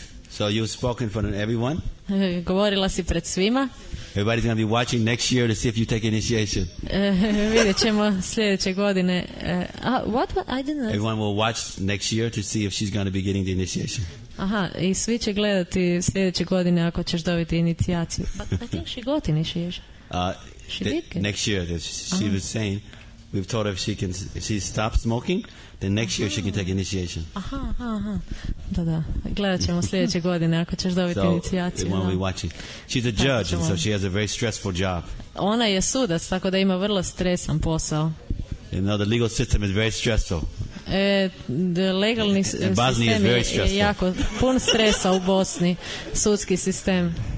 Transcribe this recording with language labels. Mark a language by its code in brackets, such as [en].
[en] So you've spoken in front of everyone. [hr] Govorila si pred svima. [en] Everybody's going to be watching next year to see if you take initiation. [hr] Vidjet ćemo sljedeće godine. [en] I didn't know. Everyone will watch next year to see if she's going to be getting the initiation. [hr] Aha, i svi će gledati sljedeće godine ako ćeš dobiti inicijaciju. [en] But I think she got initiation. Next year, she was saying, we've told her if she stops smoking, then next year she can take initiation. Aha, aha, aha. Da. [hr] Gledat ćemo sljedeće godine ako ćeš dobiti inicijaciju. [en] So, we watching. She's a judge, and so she has a very stressful job. [hr] Ona je sudac, tako da ima vrlo stresan posao. [en] You know, the legal system is very stressful. The legal system [hr] je jako pun stresa u Bosni, sudski sistem.